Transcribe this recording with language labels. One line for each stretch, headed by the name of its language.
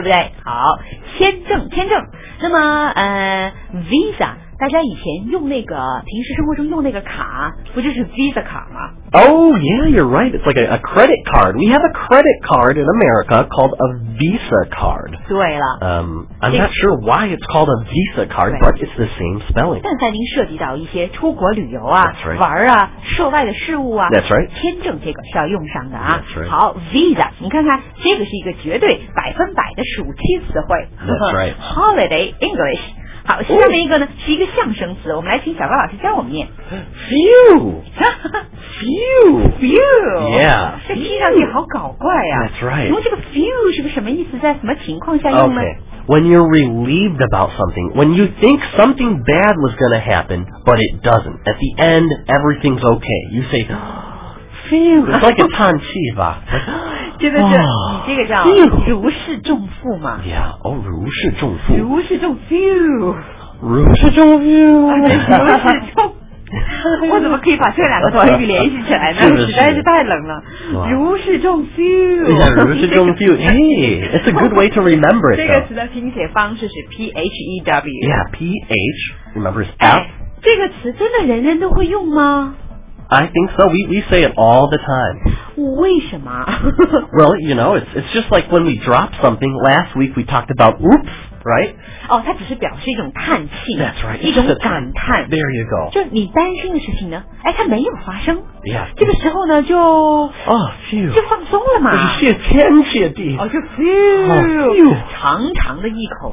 Chinese: 对不对？好，签证，签证。那么，visa， 大家以前用那个平时生活中用那个卡，不就是 visa 卡吗
English: ？Oh yeah, you're right. It's like a credit card. We have a credit card in America called a visa card.
Chinese: 对了。
English: I'm not sure why it's called a visa card, but it's the same spelling.
Chinese: 但凡您涉及到一些出国旅游啊、
English: right.
Chinese: 玩啊、涉外的事物啊
English: ，That's right，
Chinese: 签证这个是要用上的啊。
English: That's right.
Chinese: 好 ，visa， 你看看，这个是一个绝对百分百的暑期词汇。
English: That's right. Holiday English。
Chinese: 好，下面一个呢是一个象声词，我们来请小高老师教我们念。
English: Few. Yeah.
Chinese: 这听上去好搞怪呀、啊。
English: That's right.
Chinese: 那么这个 few 是个什么意思？在什么情况下用呢
English: ？Okay. When you're relieved about something, when you think something bad was going to happen, but it doesn't. At the end, everything's okay. You say, phew. It's like a
Chinese: 叹气吧。真的是，你这个叫如释重负嘛。 Yeah, oh, 如释重负。如释重负。如释重负。如释重负。我怎么可以把这两个短语联系起来呢？实在是太冷了。如释重负。 Yeah, 如释重负。
English: Hey, it's a good way to remember it.
Chinese: 这个词的拼写方式是 P-H-E-W.
English: Yeah, P-H, remember it's F.
Chinese: 这个词真的人人都会用吗？
English: I think so. We say it all the time.
Chinese: 为什么？
English: Well, you know, it's just like when we drop something. Last week we talked about oops, right?
Chinese: 哦，它只是表示一种叹气。
English: That's right.
Chinese: 一种感叹。
English: There you go.
Chinese: 就你担心的事情呢？哎，它没有发生。
English: Yeah.
Chinese: 这个时候呢，就 oh, phew. 就放松了嘛。谢天谢地。哦，就 phew. Oh, phew. 长长的一口。